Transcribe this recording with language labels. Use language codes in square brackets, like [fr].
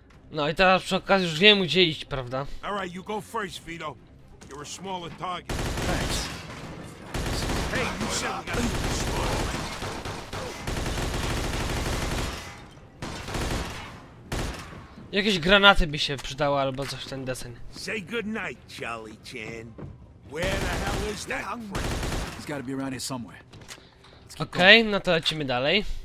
[pl] No i teraz przy okazji już wiem, gdzie iść, prawda? [en] All right, you go first, Vito. You're a smaller target. Thanks. Hey, you said we got to be smaller. [pl] Jakieś granaty by się przydały albo coś w ten deseń. [en] Say good night, Charlie Chan. Where the hell is that friend? He's got to be around here somewhere. [pl] Okay, no to lecimy dalej.